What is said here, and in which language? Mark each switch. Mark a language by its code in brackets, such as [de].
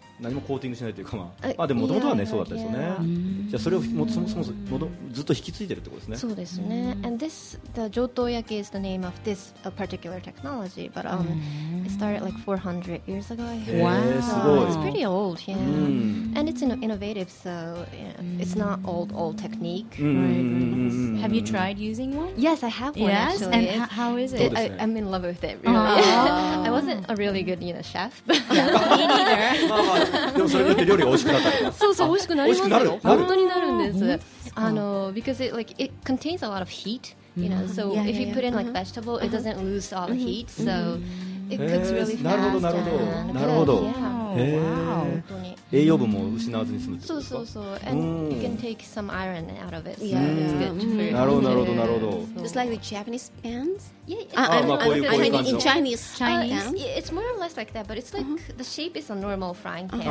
[ja] 何もコーティングしないというか、まあ、まあでも元々はね、そうだったですよね。じゃあそれをそもそもずっと引き継いでるってことですね。そうですね。 [en] And this, the Jōtō yaki is the name of this particular technology, but it started like 400 years ago. Wow, [ja] すごい。 [en] It's pretty old, yeah. And it's innovative, so it's not old technique. Right. Have you tried using one? Yes, I have one. Yes, and how is it? I'm in love with it. Really. I wasn't a really good, you know, chef. Me neither. [ja] でもそれによって料理が美味しくなったり。そうそう、美味しくなります。美味しくなる。本当になるんです。 [en] あの、because it like it contains a lot of heat, you know. So if you put in like vegetable, it doesn't lose all the heat. So it cooks really fast. [ja] なるほどなるほど。なるほど。 [en] Wow. [ja] 栄養分も失わずに済むってことですか。そうそうそう。 [en] And you can take some iron out of it. Yeah. It's good for you. [ja] なるほどなるほどなるほど。 [en] Just like the Japanese pans? Yeah. [ja] ああ、まあこういう感じ。 [en] In Chinese? Chinese? It's more or less like that, but it's like the shape is a normal frying pan.